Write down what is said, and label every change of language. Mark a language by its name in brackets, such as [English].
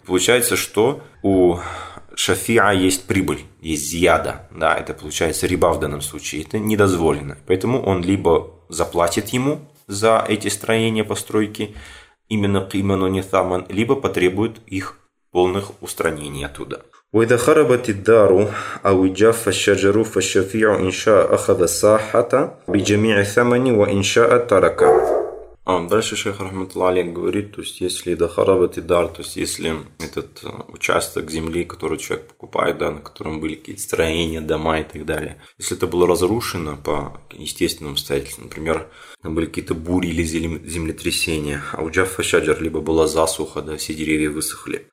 [Russian] Получается, что у шафия есть прибыль, есть зияда, да, это получается риба в данном случае, это недозволено. Поэтому он либо заплатит ему за эти строения, постройки, именно кима, но не саман, либо потребует их полных устранений оттуда. [Arabic] وإذا خربت الدار أو جاف الشجر فالشفيع إن شاء أخذ الساحة بجميع ثمن وإن شاء ترك. [Russian] Дальше шейх рахматуллахи говорит, то есть если дахарабат дар, то есть если этот участок земли, который человек покупает, да, на котором были какие-то строения, дома и так далее, если это было разрушено по естественным обстоятельствам, например, там были какие-то бури или землетрясения, а у джаффа шаджар либо была засуха, да, все деревья высохли.